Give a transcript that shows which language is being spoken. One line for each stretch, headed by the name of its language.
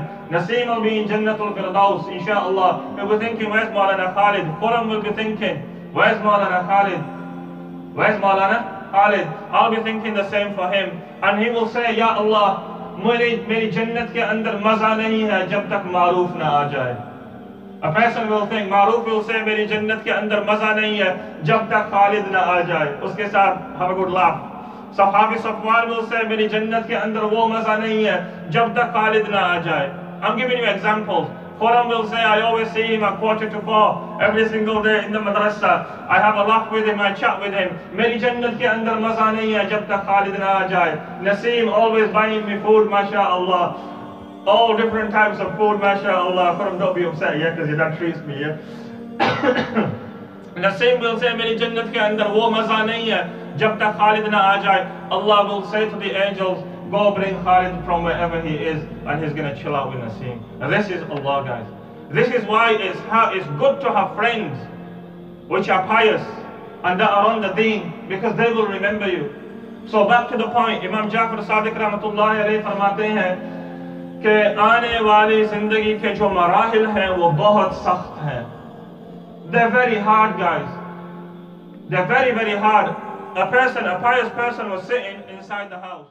English: Naseem will be in Jannatul Firdaus, insha'Allah. He'll be thinking, where's Maulana Khalid? Quran will be thinking, where's Maulana Khalid? Where's Maulana Khalid? I'll be thinking the same for him. And he will say,
Urdu: یا اللہ، میری جنت کے اندر مزہ نہیں ہے جب تک معروف نہ آ جائے۔
English: A person will think, Maruf will say,
Urdu: میری جنت کے اندر مزہ نہیں ہے جب تک خالد نہ آ جائے۔ Uske saath
English: have a good laugh. So
Urdu: Hafiz Safwan
English: will say,
Urdu: میری جنت کے اندر وہ مزہ نہیں ہے جب تک خالد نہ آ جائے۔
English: I'm giving you examples. Quran will say, I always see him at 4:15 every single day in the madrasa. I have a laugh with him, I chat with him.
Urdu: میری جنت کے اندر مزہ نہیں ہے جب تک خالد نہ آ جائے۔
English: Naseem always buying me food, mashaAllah. All different types of food, mashaAllah. Quran, don't be upset, yeah, because your dad treats me, yeah.
Urdu: Naseem
English: will say,
Urdu: میری جنت کے اندر وہ مزہ نہیں ہے جب تک خالد نہ آ جائے۔
English: Allah will say to the angels, go bring Khalid from wherever he is, and he's gonna chill out with Naseem. This is Allah, guys. This is why it's good to have friends which are pious and that are on the deen, because they will remember you. So back to the point,
Urdu: امام جعفر صادق رحمۃ اللہ علیہ فرماتے ہے کہ آنے والی زندگی کے جو مراحل ہے وہ بہت سخت ہے۔
English: They're very hard, guys. They're very, very hard. A pious person was sitting inside the house.